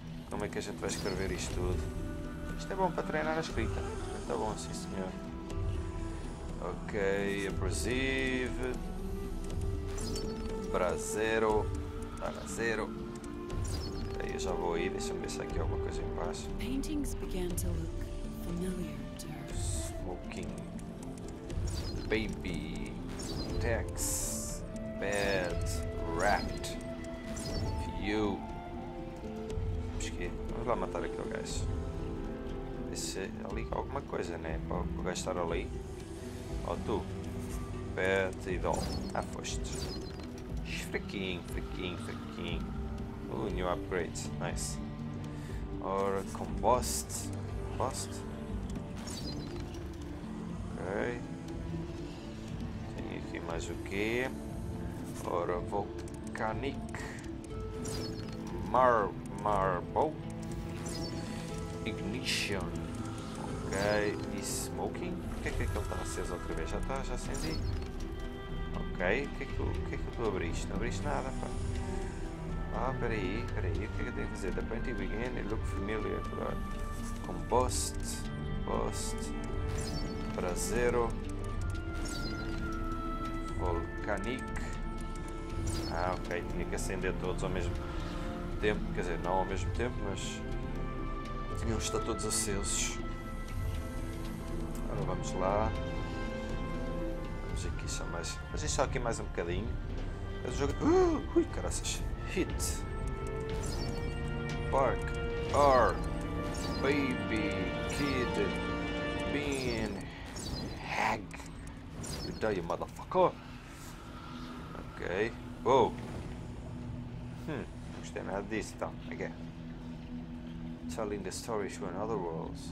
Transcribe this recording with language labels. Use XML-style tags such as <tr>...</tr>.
<pt>Como é que a gente vai escrever isto tudo? Isto é bom para treinar a escrita. Está bom, sim senhor. Ok, abrasive. Brasero. Brasero. Aí eu já vou aí, deixa-me ver se aqui há alguma coisa em baixo.</pt> <en>Paintings began to look familiar to her. Smoking. Baby. Tex, bed, rat, you.</en> <pt>Vamos lá matar aquele gajo. Esse ali alguma coisa, né? Para o gajo estar ali. Ó, tu, bed e doll. Ah, foste. Fraquinho, fraquinho, fraquinho.</pt> <en>New upgrade, nice.</en> <pt>Ora, combust. Combust. Ok. Mais o quê? Ora, volcânico, marble, ignition, ok, e smoking? Porque é que ele está aceso outra vez? Já está, já acendi. Ok, o que é que eu estou a abrir isto? Não abriste nada, pá. Ah, peraí, o que é que eu tenho que fazer?</pt> <en>The painting begin, it look familiar, agora. Combust, combust, brasero. Volcanic. Ah, ok.</en> <pt>Tinha que acender todos ao mesmo tempo. Quer dizer, não ao mesmo tempo, mas tinham que estar todos acesos. Agora vamos lá. Vamos aqui só mais. Fazer só aqui mais um bocadinho. Mas o jogo. Ui, caraças. Hit.</pt> <en>Park. R. Baby. Kid. Bean. Hag. You die, you motherfucker. Ok. Wow.</en> <pt>Não gostei nada disso, então.</pt> <en>Again. Telling the story to another world.</en>